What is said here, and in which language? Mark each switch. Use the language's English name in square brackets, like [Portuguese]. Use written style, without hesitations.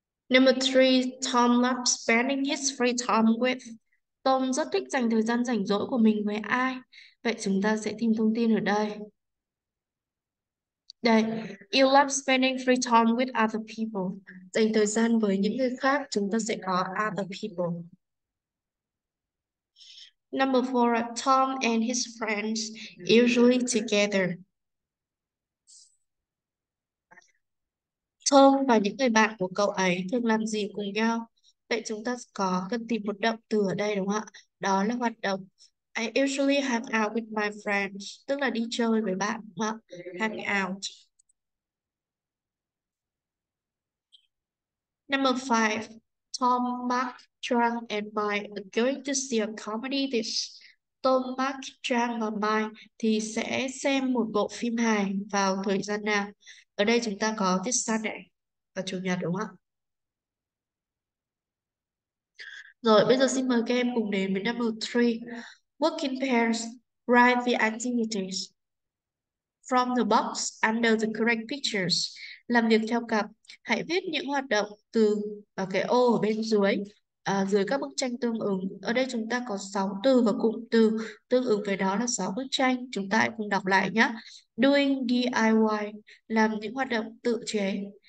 [English] Number 3, Tom loves spending his free time with. [Vietnamese] Tom rất thích dành thời gian rảnh rỗi của mình với ai? Vậy chúng ta sẽ tìm thông tin ở đây. Đây, [English] you love spending free time with other people. [Vietnamese] Dành thời gian với những người khác, chúng ta sẽ có other people. [English] Number 4, Tom and his friends usually [Vietnamese] Tom và những người bạn của cậu ấy thường làm gì cùng nhau? Vậy chúng ta có cần tìm một động từ ở đây đúng không ạ? Đó là hoạt động. [English] I usually hang out with my friends, [Vietnamese] tức là đi chơi với bạn đúng không ạ? [English] Hang out. Number 5, Tom, Mark, Trang and Mai are going to see a comedy this. [Vietnamese] Tom, Mark, Trang và Mai thì sẽ xem một bộ phim hài vào thời gian nào? Ở đây chúng ta có this Sunday và Chủ nhật đúng không? Rồi, bây giờ xin mời các em cùng đến với number 3. [English] Working pairs, write the activities from the box under the correct pictures. [Vietnamese] Làm việc theo cặp, hãy viết những hoạt động từ ở cái ô ở bên dưới dưới các bức tranh tương ứng. Ở đây chúng ta có 6 từ và cụm từ tương ứng với đó là 6 bức tranh. Chúng ta hãy cùng đọc lại nhé. Doing DIY, làm những hoạt động tự chế.